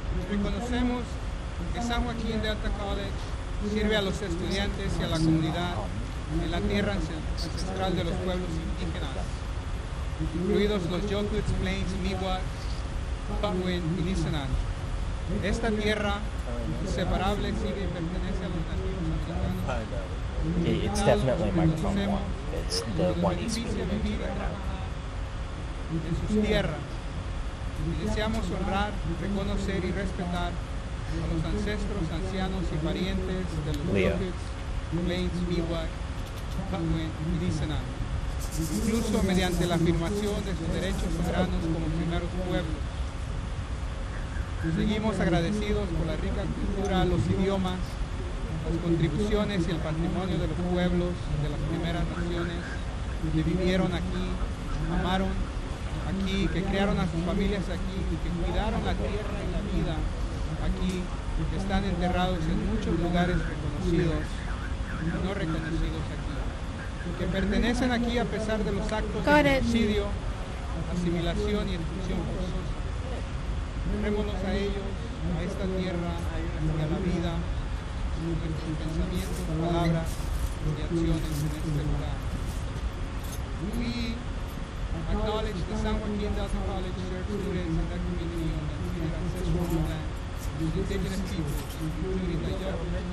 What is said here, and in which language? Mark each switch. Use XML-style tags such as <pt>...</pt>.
<es>Reconocemos que San Joaquin Delta College sirve a los estudiantes y a la comunidad en la tierra ancestral de los pueblos indígenas, incluidos los Yokuts, Plains, Miwoks, Pahuen y Nisenan. Esta tierra inseparable sirve y pertenece a los nativos americanos.</es> <en>It's definitely microphone one. It's the one he's speaking to right now.</en> <es>En sus tierras, deseamos honrar, reconocer y respetar a los ancestros, ancianos y parientes de los Yokuts, Plains, Miwok, Pahuen y Nisenan, incluso mediante la afirmación de sus derechos soberanos como primeros pueblos. Seguimos agradecidos por la rica cultura, los idiomas, las contribuciones y el patrimonio de los pueblos de las primeras naciones que vivieron aquí, amaron aquí, que crearon a sus familias aquí y que cuidaron la tierra y la vida aquí, que están enterrados en muchos lugares reconocidos y no reconocidos aquí, que pertenecen aquí a pesar de los actos de genocidio, asimilación y exclusión forzosa. Honrémonos a ellos, a esta tierra y a la vida, nuestros pensamientos, palabras y acciones en este lugar.</es> <en>We acknowledge the San Joaquin Delta College shared students in their community on their ancestral homeland, the Indigenous people, including the Yorubas.</en>